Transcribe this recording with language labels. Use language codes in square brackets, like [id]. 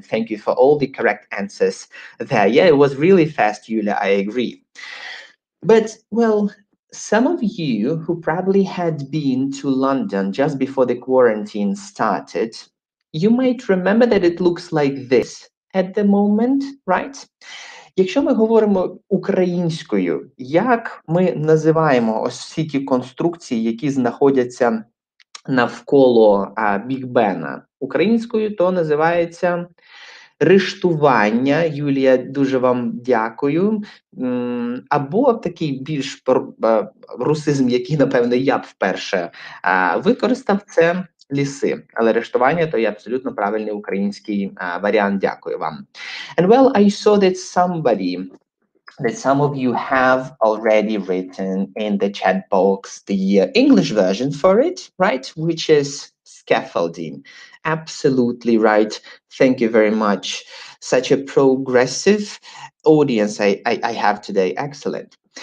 [en] Thank you for all the correct answers there. Yeah, it was really fast, Julia, I agree. But, well, some of you who probably had been to London just before the quarantine started, you might remember that it looks like this at the moment, right? [uk] Якщо ми говоримо українською, як ми називаємо ось всі ті конструкції, які знаходяться навколо Біг Бена? Українською то називається риштування. Юлія, дуже вам дякую. Або такий більш русизм, який, напевно, я б вперше використав, це ліси. Але риштування то є абсолютно правильний український варіант. Дякую вам. [en] And well, I saw that somebody, that some of you have already written in the chat box the English version for it, right? Which is scaffolding. Absolutely right. Thank you very much. Such a progressive audience I have today. Excellent.